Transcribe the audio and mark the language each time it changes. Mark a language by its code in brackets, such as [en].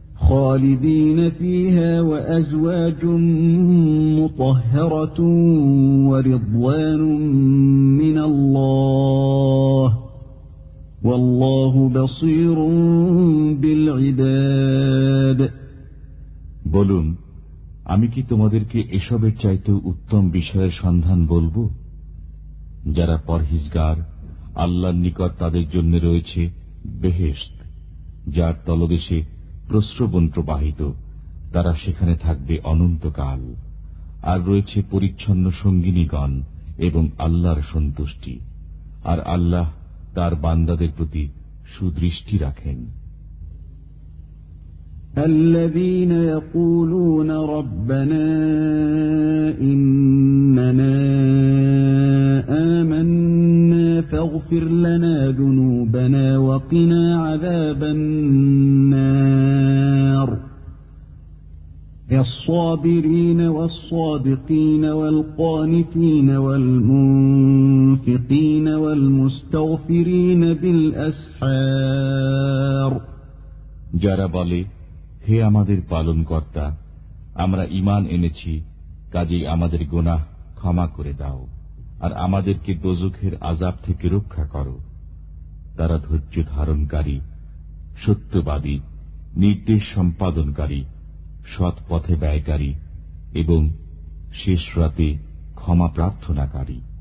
[ar] خالدين فيها وأزواج مطهرة ورضوان من الله والله بصير بالعباد [bn] বলুন, আমি কি তোমাদেরকে এসবের চাইতে উত্তম বিষয়ের সন্ধান বলবো? যারা পরহিজগার, আল্লাহর নিকট তাদের জন্য রয়েছে বেহেশত, যার তলদেশে প্রস্রবণ প্রবাহিত, তারা সেখানে থাকবে অনন্তকাল, আর রয়েছে পরিচ্ছন্ন সঙ্গিনীগণ এবং আল্লাহর সন্তুষ্টি, আর আল্লাহ তার বান্দাদের প্রতি সুদৃষ্টি রাখেন। আমন্না [ar] فاغفر لنا ذنوبنا وقنا عذاب النار الصابرين والصادقين والقانتين والمنفقين والمستغفرين بالأسحار جارا بالي [bn] হে আমাদের পালন কর্তা, আমরা ইমান এনেছি, কাজেই আমাদের গোনাহ ক্ষমা করে দাও আর আমাদেরকে দোজখের আজাব থেকে রক্ষা করো। তারা ধৈর্য ধারণকারী, সত্যবাদী, নির্দেশ সম্পাদনকারী, সৎ পথে ব্যয়কারী এবং শেষ রাতে ক্ষমা প্রার্থনাকারী।